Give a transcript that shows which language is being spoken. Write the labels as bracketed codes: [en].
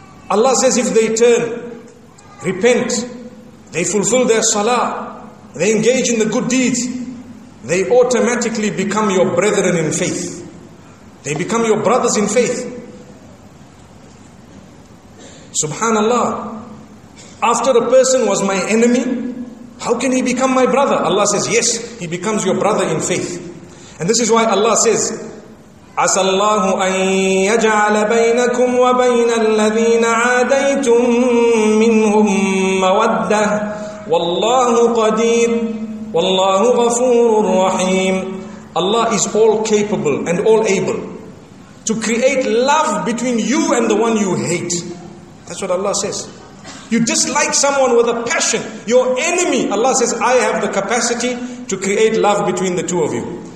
[en] Allah says if they turn, repent, they fulfill their salah, they engage in the good deeds, they automatically become your brethren in faith. They become your brothers in faith. Subhanallah. After a person was my enemy, how can he become my brother? Allah says, yes, he becomes your brother in faith. And this is why Allah says, [ar] عَسَى اللَّهُ أَن يَجْعَلَ بَيْنَكُمْ وَبَيْنَ الَّذِينَ عَادَيْتُمْ مِنْهُمْ مَوَدَّةً وَاللَّهُ قَدِيرٌ وَاللَّهُ غَفُورٌ رَحِيمٌ. [en] Allah is all capable and all able to create love between you and the one you hate. That's what Allah says. You dislike someone with a passion, your enemy. Allah says, I have the capacity to create love between the two of you.